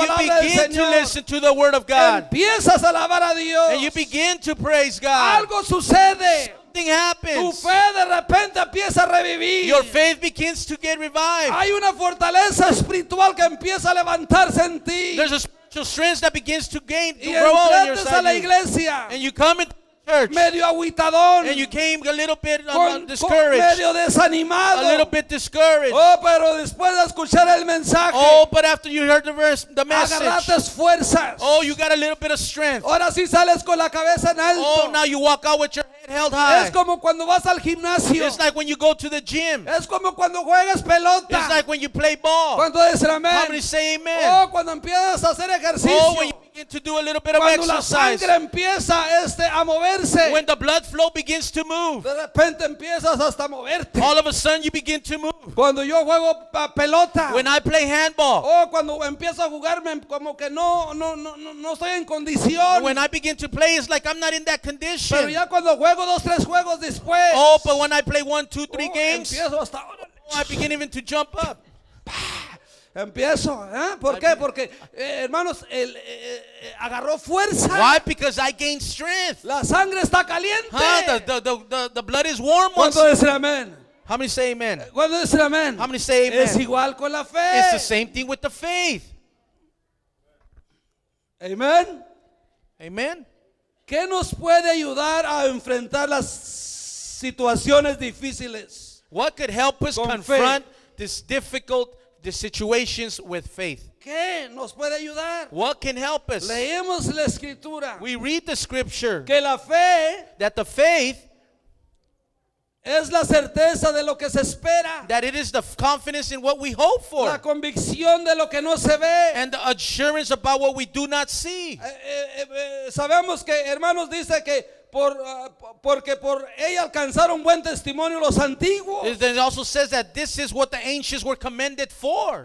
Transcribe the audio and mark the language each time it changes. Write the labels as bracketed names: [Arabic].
[Spanish] palabra [English] you begin [Spanish] del Señor. [English] To listen to the word of God. [Spanish] Empiezas a alabar a Dios. [English] And you begin to praise God. [Spanish] Algo sucede. [English] Something happens. [Spanish] Tu fe de repente empieza a revivir. [English] Your faith begins to get revived. [Spanish] Hay una fortaleza espiritual que empieza a levantarse en ti. [English] There's a spiritual strength that begins to gain to grow in your side. [Spanish] A la iglesia. [English] And you come into the church. [Spanish] Medio aguitadón. [English] And you came a little bit discouraged. [Spanish] Medio desanimado. [English] A little bit discouraged. [Spanish] Oh, pero después de escuchar el mensaje. [English] Oh, but after you heard the message. [Spanish] Agarraste fuerzas. [English] Oh, you got a little bit of strength. [Spanish] Ahora sí sales con la cabeza en alto. [English] Oh, now you walk out with your held high. [Spanish] Es como cuando vas al gimnasio. [English] It's like when you go to the gym. [Spanish] Es como cuando juegas pelota. [English] It's like when you play ball. [Spanish] ¿Cuánto dicen amén? [English] How many say amen? [Spanish] Oh, cuando empiezas a hacer ejercicio. [English] Oh, when you begin to do a little bit of [Spanish] cuando [English] exercise. [Spanish] La sangre empieza a moverse. [English] When the blood flow begins to move. [Spanish] De repente empiezas hasta moverte. [English] All of a sudden you begin to move. [Spanish] Cuando yo juego pelota. [English] When I play handball. [Spanish] Oh, cuando empiezo a jugarme como que no estoy en condición. [English] When I begin to play it's like I'm not in that condition. [Spanish] Pero ya cuando juego dos tres juegos después. [English] Oh, but when I play one, two, three games. [Spanish] Empiezo hasta [English] I begin even to jump up. [Spanish] Empiezo, ¿eh? ¿Por qué? Porque hermanos, el agarró fuerza. [English] Why? Because I gained strength. [Spanish] La sangre está caliente. [English] Huh? The blood is warm. [Spanish] ¿Cuánto dicen amén? [English] How many say amen? [Spanish] ¿Cuánto dicen amén? [English] How many say amen? [Spanish] Es igual con la fe. [English] It's the same thing with the faith. Amen. Amen. [Spanish] ¿Qué nos puede ayudar a enfrentar las situaciones difíciles? [English] What could help us confront this difficult the situations with faith? [Spanish] ¿Qué nos puede ayudar? [English] What can help us? [Spanish] Leemos la escritura. [English] We read the scripture. [Spanish] Que la fe, [English] that the faith [Spanish] es la certeza de lo que se espera. [English] That it is the confidence in what we hope for. [Spanish] La convicción de lo que no se ve. [English] And the assurance about what we do not see. [Spanish] Sabemos que hermanos dice que Porque por ella alcanzaron buen testimonio los antiguos. [English] It also says that this is what the ancients were commended for.